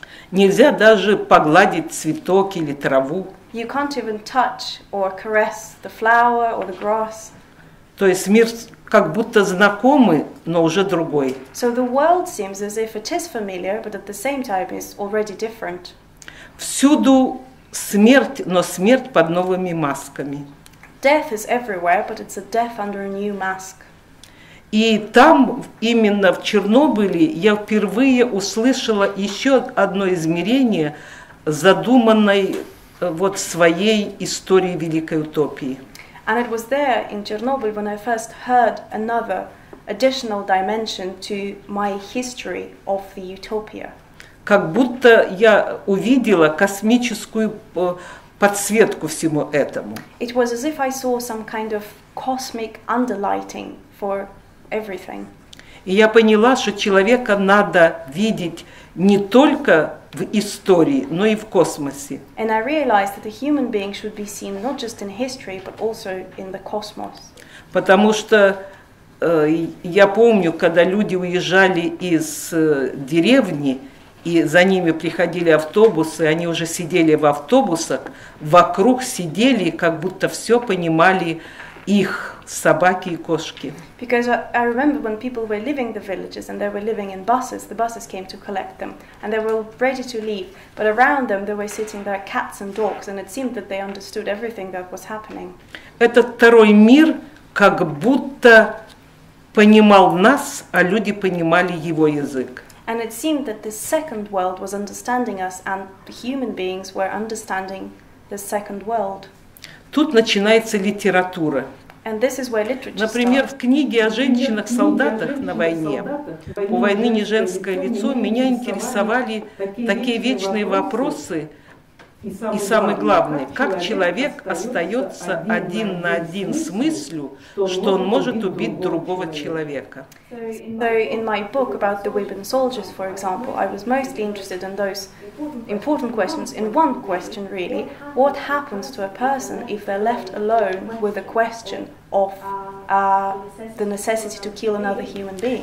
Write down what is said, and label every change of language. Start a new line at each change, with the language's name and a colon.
Russian: Нельзя даже погладить цветок или траву.
English: You can't even touch or caress the flower or the grass.
Russian: То есть мир как будто знакомый, но уже другой.
English: So the world seems as if it is familiar, but at the same time is already different.
Russian: Всюду смерть, но смерть под новыми масками.
English: Death is everywhere, but it's a death under a new mask.
Russian: И там, именно в Чернобыле, я впервые услышала еще одно измерение, задуманной вот своей историей великой утопии.
English: And it was there in Chernobyl when I first heard another additional dimension to my history of the utopia.
Russian: Как будто я увидела космическую подсветку всему этому.
English: It was as if I saw some kind of cosmic underlighting for everything.
Russian: И я поняла, что человека надо видеть не только в истории, но и в космосе.
English: And I realized that a human being should be seen not just in history, but also in the cosmos.
Russian: Потому что я помню, когда люди уезжали из деревни, и за ними приходили автобусы, они уже сидели в автобусах, вокруг сидели, как будто все понимали их собаки и кошки.
English: Because I remember when people were leaving the villages and they were living in buses, the buses came to collect them and they were ready to leave, but around them there were sitting their cats and dogs and it seemed that they understood everything that was happening.
Russian: Этот второй мир как будто понимал нас, а люди понимали его язык.
English: And it seemed that the second world was understanding us and the human beings were understanding the second world.
Russian: Тут начинается литература.
English: And this is where literature starts.
Russian: Например, в книге о женщинах-солдатах на войне, «У войны не женское лицо», меня интересовали такие вечные вопросы, и самый главный, как человек остается один на один с мыслью, что он может убить другого человека.
English: So in my book about the women soldiers, for example, I was mostly interested in those important questions. In one question, really, what happens to a person if they're left alone with a question of the necessity to kill another human being?